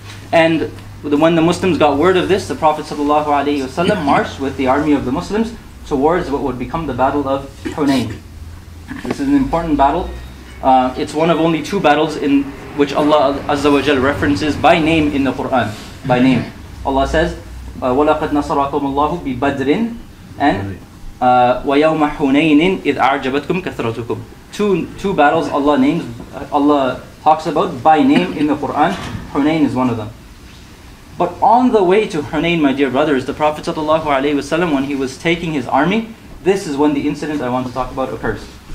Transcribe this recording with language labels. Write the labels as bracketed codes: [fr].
[en] And when the Muslims got word of this, the Prophet ﷺ marched with the army of the Muslims towards what would become the Battle of Hunayn. This is an important battle. It's one of only two battles in which Allah Azza wa Jal references by name in the Quran. By name. Allah says, [ar] وَلَقَدْ نَصَرَكُمُ اللَّهُ بِبَدْرٍ [en] and [ar] وَيَوْمَ حُنَيْنٍ إِذْ أَعْجَبَتْكُمْ كَثْرَتُكُمْ. [en] Two battles Allah names, Allah talks about by name in the Quran. Hunayn is one of them. But on the way to Hunayn, my dear brothers, the Prophet sallallahu alaihi wasallam, when he was taking his army, this is when the incident I want to talk about occurs.